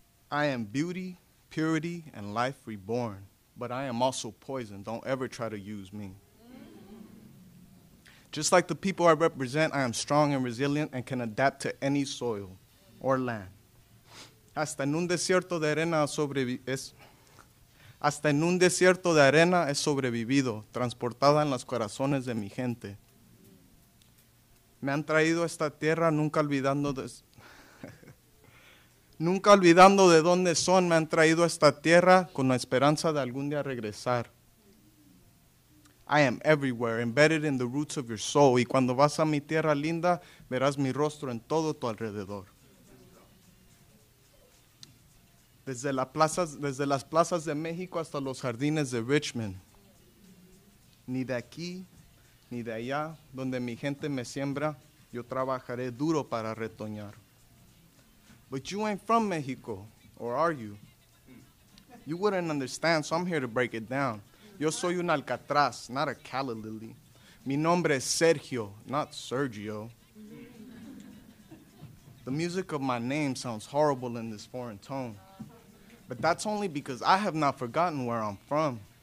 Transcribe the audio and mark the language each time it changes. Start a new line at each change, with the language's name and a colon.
English: I am beauty, purity, and life reborn, but I am also poison. Don't ever try to use me. Just like the people I represent, I am strong and resilient and can adapt to any soil or land.
Spanish: Hasta en un desierto de arena he sobrevivido, transportada en los corazones de mi gente. Me han traído a esta tierra nunca olvidando de dónde son. Me han traído a esta tierra con la esperanza de algún día regresar.
English: I am everywhere, embedded in the roots of your soul.
Spanish: Y cuando vas a mi tierra linda, verás mi rostro en todo tu alrededor. Desde las plazas de México hasta los jardines de Richmond. Ni de aquí, ni de allá, donde mi gente me siembra, yo trabajaré duro para retoñar.
English: But you ain't from Mexico, or are you? You wouldn't understand, so I'm here to break it down.
Spanish: Yo soy un alcatraz,
English: not a calla lily.
Spanish: Mi nombre es Sergio,
English: not Sergio. The music of my name sounds horrible in this foreign tone. But that's only because I have not forgotten where I'm from.